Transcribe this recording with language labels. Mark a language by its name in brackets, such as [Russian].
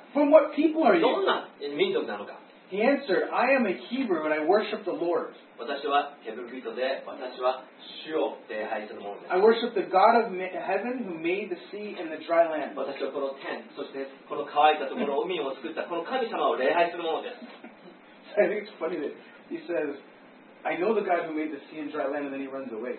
[English] What people are you? [Japanese] どんな民族なのか? [English] He answered, I am a Hebrew and I worship the Lord. [Japanese] 私はヘブル人で、私は主を礼拝するものです。 [English] I worship the God of heaven who made the sea and the dry land. [Japanese] 私はこの天、そしてこの乾いたところ、海を作ったこの神様を礼拝するものです。 [English] So I think it's funny that he says,I know the guy who made the sea and dry land, and then he runs away.